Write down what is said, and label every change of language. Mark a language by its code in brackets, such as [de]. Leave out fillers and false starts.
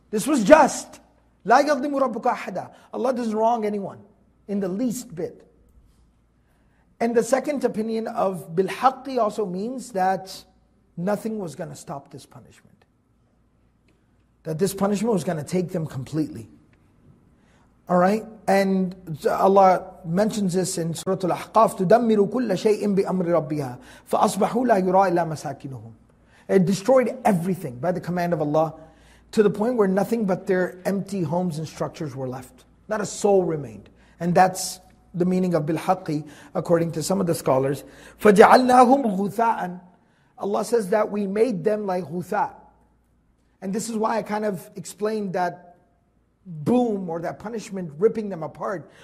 [en] This was just. [ar] لَا يَظْلِمُ رَبُّكَ أَحَدًا. [en] Allah doesn't wrong anyone in the least bit. And the second opinion of بِالْحَقِّ also means that nothing was going to stop this punishment. That this punishment was going to take them completely. All right, and Allah mentions this in Surah Al-Ahqaf, [ar] تُدَمِّرُ كُلَّ شَيْءٍ بِأَمْرِ رَبِّهَا فَأَصْبَحُوا لَا يُرَى إِلَّا مَسَاكِنُهُمْ. [en] It destroyed everything by the command of Allah to the point where nothing but their empty homes and structures were left. Not a soul remained. And that's the meaning of بِالْحَقِّ according to some of the scholars. [ar] فَجَعَلْنَاهُمْ غُثَاءً. [en] Allah says that we made them like غُثَاء. And this is why I kind of explained that boom or that punishment ripping them apart.